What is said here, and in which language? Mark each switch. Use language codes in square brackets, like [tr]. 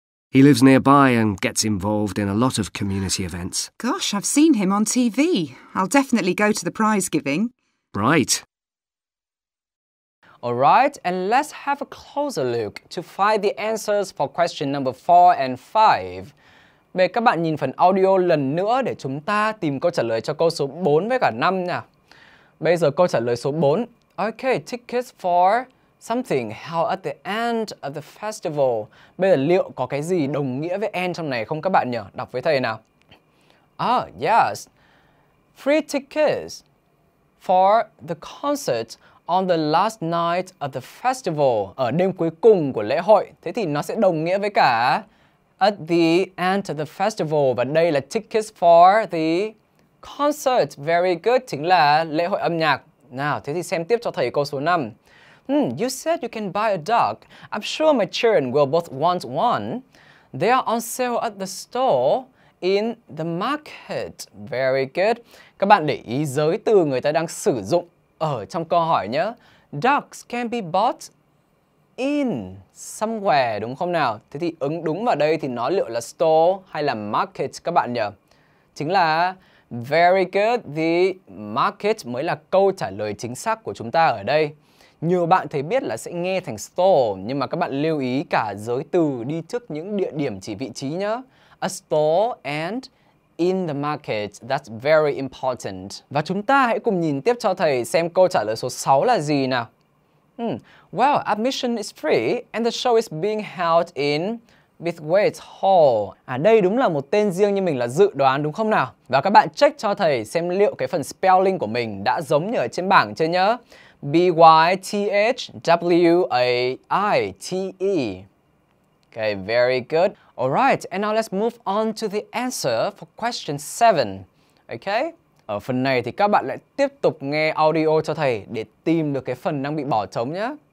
[en] He lives nearby and gets involved in a lot of community events. Gosh, I've seen him on TV. I'll definitely go to the prize giving. Right. All right, and let's have a closer look to find the answers for question number 4 and 5. [vi] Vậy các bạn nhìn phần audio lần nữa để chúng ta tìm câu trả lời cho câu số 4 với cả 5 nha. Bây giờ câu trả lời số 4. Okay, tickets for something held at the end of the festival. Bây giờ liệu có cái gì đồng nghĩa với end trong này không các bạn nhỉ? Đọc với thầy nào. [en] Ah, yes. Free tickets for the concert on the last night of the festival. [vi] Ở đêm cuối cùng của lễ hội. Thế thì nó sẽ đồng nghĩa với cả [en] at the end of the festival. [vi] Và đây là [en] tickets for the concert. Very good. [vi] Chính là lễ hội âm nhạc. Nào, thế thì xem tiếp cho thầy câu số 5. [en] You said you can buy a duck. I'm sure my children will both want one. They are on sale at the store in the market. Very good. [vi] Các bạn để ý giới từ người ta đang sử dụng ở trong câu hỏi nhé. [en] Ducks can be bought in somewhere, [vi] đúng không nào? Thế thì ứng đúng vào đây thì nó liệu là store hay là market các bạn nhỉ? Chính là [en] very good, the market [vi] mới là câu trả lời chính xác của chúng ta ở đây. Nhiều bạn thấy biết là sẽ nghe thành store, nhưng mà các bạn lưu ý cả giới từ đi trước những địa điểm chỉ vị trí nhé. [en] A store and in the market, that's very important. [vi] Và chúng ta hãy cùng nhìn tiếp cho thầy xem câu trả lời số 6 là gì nào. [en] Well, admission is free and the show is being held in Bithwaite Hall. [vi] À đây đúng là một tên riêng như mình là dự đoán đúng không nào? Và các bạn check cho thầy xem liệu cái phần spelling của mình đã giống như ở trên bảng chưa nhớ. [en] Bythwaite. Okay, very good. All right, and now let's move on to the answer for question 7. Okay? [vi] Ở phần này thì các bạn lại tiếp tục nghe audio cho thầy để tìm được cái phần đang bị bỏ trống nhé.